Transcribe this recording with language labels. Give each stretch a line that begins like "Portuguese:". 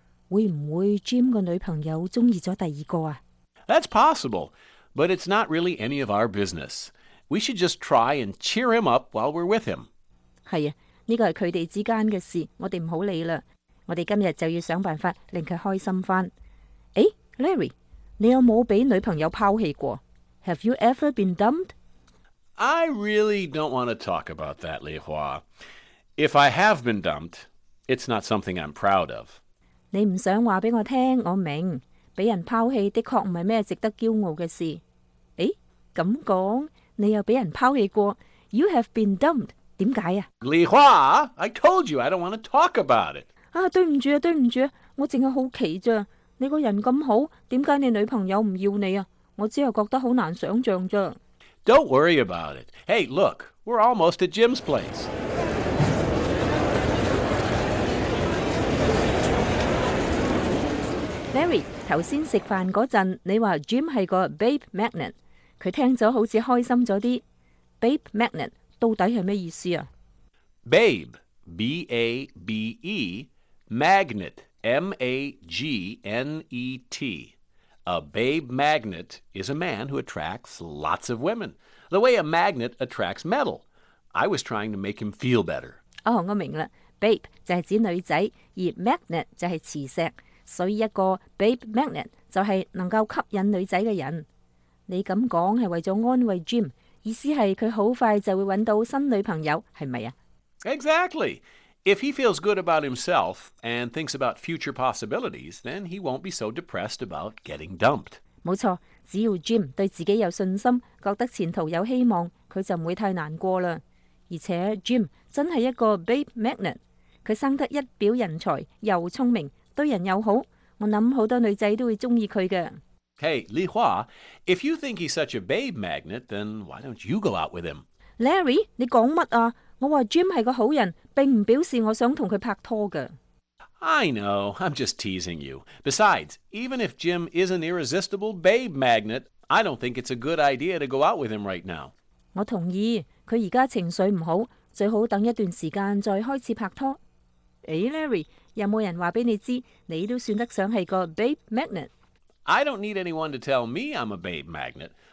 Cantonese: 会唔会 Jim 个女朋友中意咗第二个啊
English: ？That's possible. But it's not really any of our business. We should just try and cheer him up while we're with him.
Cantonese: 是啊，这个是他们之间的事，我们不要理了。我们今天就要想办法令他开心。诶 ,Larry, 你有没有被女朋友抛弃过？
English: Have you ever been dumped? I really don't want to talk about that, Li Hua. If I have been dumped, it's not something I'm proud of.
Cantonese: 你不想告诉我，我明白。被人抛弃的确不是什么值得骄傲的事。诶，这样说，你又被人抛弃过。
English: You have been dumped.
Cantonese: 为什么？
English: Li Hua, I told you I don't want to talk about it.
Cantonese: 啊，对不住，对不住，我只是好奇而已。你个人这么好，为什么你女朋友不要你？我只是觉得很难想象而已。
English: Don't worry about it. Hey, look, we're almost at Jim's place.
Cantonese: Larry, 刚才吃饭那阵，你说 Jim 是个 babe magnet， 他听了好像开心了一点。 Babe magnet 到底是什么意思啊？
English: Babe, B-A-B-E, magnet, M-A-G-N-E-T. A babe magnet is a man who attracts lots of women. The way a magnet attracts metal. I was trying to make him feel better.
Cantonese: 哦，我明了。Babe 就是指女仔，而 magnet 就是磁石，所以一个 babe magnet 就是能够吸引女仔的人。你这么说是为了安慰 Jim，意思是他很快就会找到新女朋友，是不是？
English: Exactly. If he feels good about himself and thinks about future possibilities, then he won't be so depressed about getting dumped.
Cantonese: 没错，只要 Jim 对自己有信心，觉得前途有希望，他就不会太难过了。而且 Jim 真是一个 babe magnet， 他生得一表人才，又聪明，对人又好，我想很多女仔都会喜欢他的。
English: Hey, Li Hua, if you think he's such a babe magnet, then why don't you go out with him?
Cantonese: Larry, 你说什么啊？我说 Jim 是个好人，并不表示我想跟他拍拖的。
English: I know, I'm just teasing you. Besides, even if Jim is an irresistible babe magnet, I don't think it's a good idea to go out with him right now.
Cantonese: 我同意，他现在情绪不好，最好等一段时间再开始拍拖。诶 Larry, 有没有人告诉你，你都算得上是个 babe magnet?
English: I don't need anyone to tell me I'm a babe magnet.